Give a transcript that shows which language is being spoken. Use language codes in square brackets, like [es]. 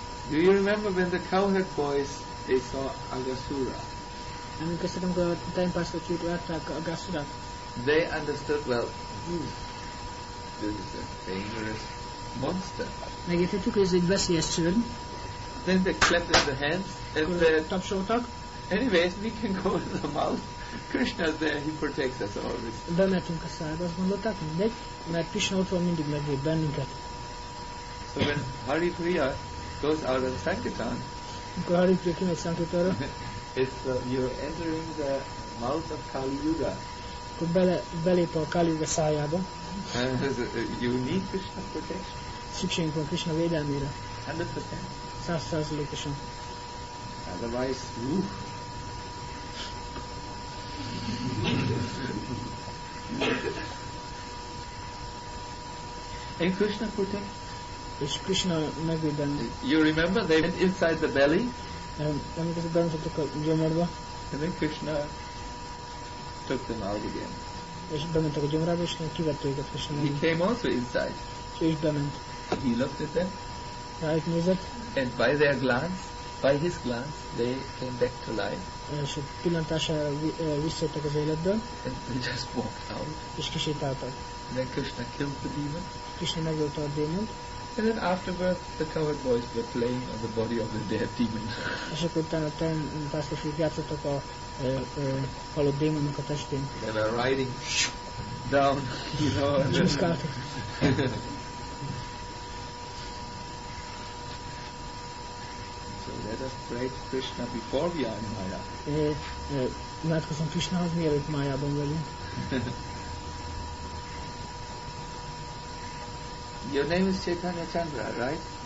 [en] Do you remember when the cowherd boys they saw Agasura? [hu] Emlékeztetem, amikor a tájpásztorok látták Agasurát. [en] They understood well. This is a dangerous monster. [hu] Megértettük, ez egy veszélyes szörny. [en] Then they clapped in the hands. [hu] Tapsoltak. [en] Anyways, we can go to the mouth. Krishna is there, he protects us always. [hu] Bemetünk a szájba, azt gondolták, mindegy, mert Krishna ott van, mindig megvéd bennünket. [en] So when Hari Priya goes out of Sankirtan, [hu] amikor Hari Priya kimegy Sankirtanra, [en] you're entering the mouth of Kali Yuga. [hu] Akkor belép a Kali Yuga szájába. [en] You need Krishna protection. [hu] Szükségünk van Krishna védelmére. [en] 100%. [hu] 100%-osan. [en] Otherwise, ooh. And Krishna protect. [hu] És Krishna megvéd bennünket. [en] You remember they went inside the belly? [hu] Amikor bementek a gyomorba. [en] And then Krishna took them out again. [hu] És bementek a gyomorba, és kivette őket [en] Krishna. He came also inside. [hu] És bement. [en] He looked at them. Right, [hu] nézett. [en] And by their glance. By his glance, they came back to life. [hu] És a pillantása visszajöttek az életbe. [en] And they just walked out. [hu] És kisétáltak. [en] Then Krishna killed the demon. [hu] Krishna megölte a démont. [en] And then afterwards, the cowherd boys were playing on the body of the dead demon. [hu] És akkor utána a pásztorok játszottak a halott démonnak a testén. [en] They were riding down, you know. Let us pray to Krishna before we are in Maya. [hu] Imádkozom Krishnához, mielőtt Mayában vagyunk. [en] Your name is Chaitanya Chandra, right?